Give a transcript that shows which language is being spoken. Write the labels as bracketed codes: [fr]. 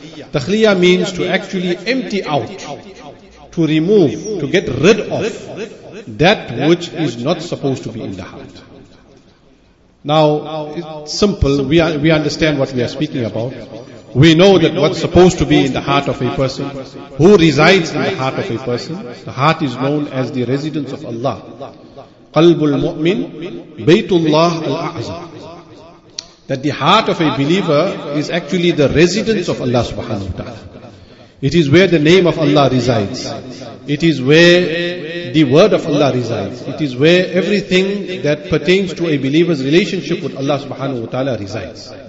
[en] Tahliya means to actually empty out, to remove, to get rid of that which is not supposed to be in the heart. Now, it's simple, we understand what we are speaking about. We know that what's supposed to be in the heart of a person, who resides in the heart of a person, the heart is known as the residence of Allah. [ar] قلب المؤمن بيت الله الأعظم. [en] That the heart of a believer is actually the residence of Allah subhanahu wa ta'ala. It is where the name of Allah resides. It is where the word of Allah resides. It is where everything that pertains to a believer's relationship with Allah subhanahu wa ta'ala resides.